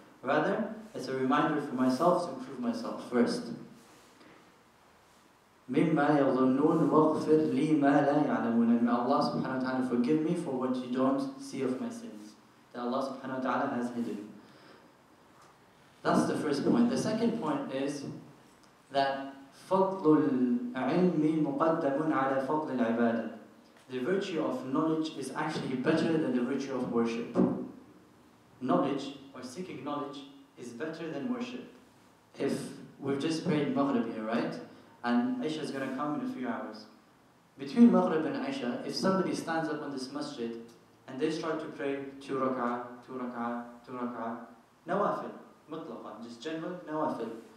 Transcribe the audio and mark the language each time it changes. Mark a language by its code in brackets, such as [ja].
[en] Rather, it's a reminder for myself to improve myself first. [ar] مِمَّا يَظُنُّونَ وَغْفِرْ لِي مَا لَا يَعْلَمُونَ. [en] May Allah subhanahu wa ta'ala forgive me for what you don't see of my sins, that Allah subhanahu wa ta'ala has hidden. That's the first point. The second point is that [ar] فَضْلُ الْعِلْمِ مُقَدَّمٌ عَلَى فَضْلِ الْعِبَادَةِ. [en] The virtue of knowledge is actually better than the virtue of worship. Knowledge, or seeking knowledge, is better than worship. If we've just prayed Maghrib here, right? And Aisha is going to come in a few hours. Between Maghrib and Aisha, if somebody stands up on this masjid and they start to pray two rak'ah, two rak'ah, two rak'ah, nawafil, mutlaqan, just general, nawafil.